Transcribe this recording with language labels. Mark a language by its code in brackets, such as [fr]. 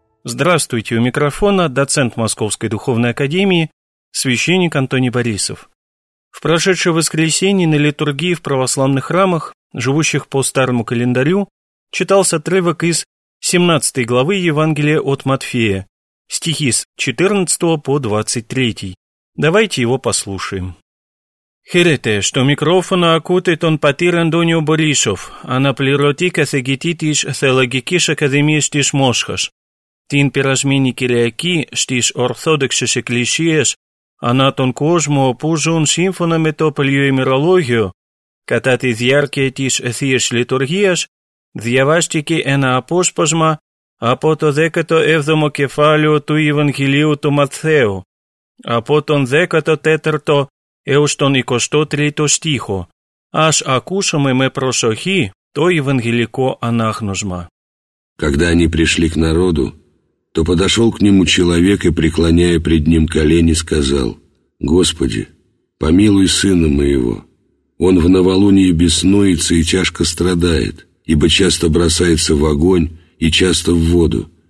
[ru] Здравствуйте, у микрофона доцент Московской духовной академии священник Антоний Борисов. В прошедшее воскресенье на литургии в православных храмах, живущих по старому календарю, читался отрывок из 17 главы Евангелия от Матфея, стихи с 14 по 23. Давайте его послушаем. [el] Χαίρετε, στο μικρόφωνο ακούτε τον πατήρ Αντώνιο Μπορίσοφ, αναπληρωτή καθηγητή της Θεολογικής Ακαδημίας της Μόσχας. Την περασμένη Κυριακή στις Ορθόδοξες Εκκλησίες, ανά τον κόσμο που ζουν σύμφωνα με το παλιοημερολόγιο, κατά τη διάρκεια της Θείας Λειτουργίας, διαβάστηκε ένα απόσπασμα από το 17ο κεφάλαιο του Ευαγγελίου του Ματθαίου, από τον 14ο έως τον 23ο στίχο. Ας ακούσουμε με προσοχή το ευαγγελικό ανάγνωσμα. [ru] Когда они пришли к народу, то подошел к нему человек и, преклоняя пред ним колени, сказал: «Господи, помилуй сына моего. Он в новолуние беснуется и тяжко страдает, ибо часто бросается в огонь и часто в воду.